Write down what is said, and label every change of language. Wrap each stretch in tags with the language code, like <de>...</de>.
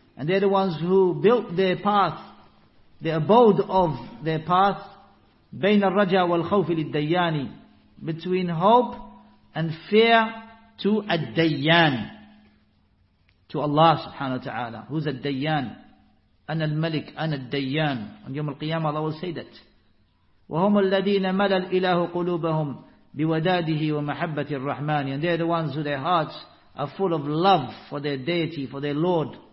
<en>And they're the ones who built their path, the abode of their path,</en> <ar>بين الرجاء والخوف للديان,</ar> <en>between hope and fear to الديان, to Allah subhanahu wa ta'ala. Who's الديان?</en> <ar>أنا الملك, أنا الديان.</ar> <en>On يوم القيامة Allah will say that.</en> <ar>وهم الذين ملا الإله قلوبهم بوداده ومحبة الرحمن.</ar> <en>And they're the ones who their hearts are full of love for their deity, for their Lord.</en>